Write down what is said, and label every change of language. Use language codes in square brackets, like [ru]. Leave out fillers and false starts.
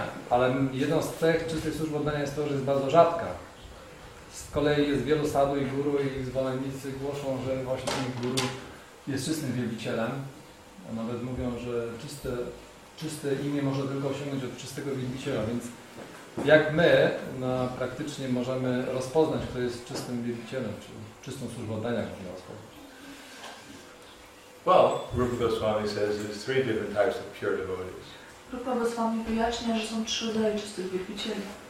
[pl] Ale jedną z cech czystej służby oddania jest to, że jest bardzo rzadka. Z kolei jest wielu sadhu i guru i zwolennicy głoszą, że właśnie ten guru jest czystym wielbicielem. Nawet mówią, że czyste imię może tylko osiągnąć od czystego wielbiciela, więc jak my praktycznie możemy rozpoznać, kto jest czystym wielbicielem, czy czystą służbą oddania, jak można rozpoznać? [en] Well, Rupa Goswami says there's three different types of pure devotees. [pl] Rupa Goswami wyjaśnia, że są trzy rodzaje czystych wielbicieli.